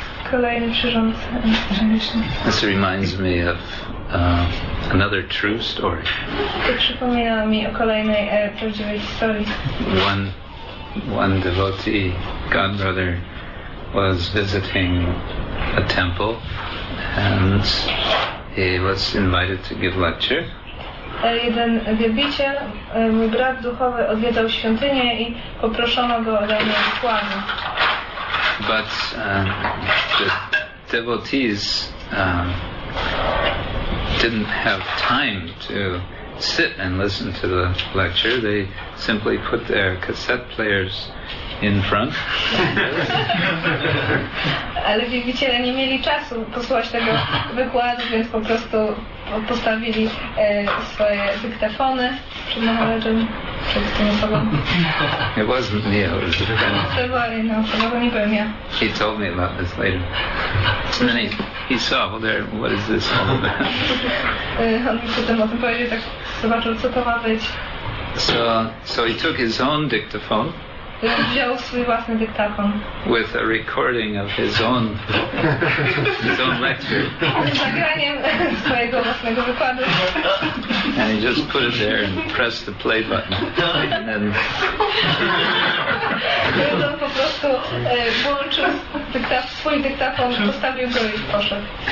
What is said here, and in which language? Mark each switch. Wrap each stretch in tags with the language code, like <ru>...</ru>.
<pl>Kolejne przyrządy elektroniczne.</pl> <en>This reminds me of another true story.</en> <pl>To przypomina mi o kolejnej prawdziwej historii.</pl> <en>One devotee, god brother, was visiting a temple and he was invited to give lecture.</en> <pl>Jeden wielbiciel, mój brat duchowy, odwiedzał świątynię i poproszono go o danie wykładu.</pl> <en>But the devotees didn't have time to sit and listen to the lecture. They simply put their cassette players in front.</en> <pl>Ale wielbiciele nie mieli czasu posłuchać tego wykładu, więc po prostu postawili swoje dyktafony przed maharadżem, przed tym osobą.</pl> <en>It wasn't me, it was a friend.</en> <pl>To była inna osoba, bo nie byłem ja.</pl> <en>He told me about this later. And then he saw, well, there, what is this all about?</en> <pl>On potem o tym powiedział, tak zobaczył, co to ma być.</pl> <en>So he took his own dictaphone.</en> <pl>Wziął swój własny dyktafon.</pl> <en>With a recording of his own lecture.</en> <pl>Z nagraniem swojego własnego wykładu.</pl> <en>And he just put it there and pressed the play button.</en> <pl>And on po prostu włączył swój dyktafon, postawił go i poszedł.</pl>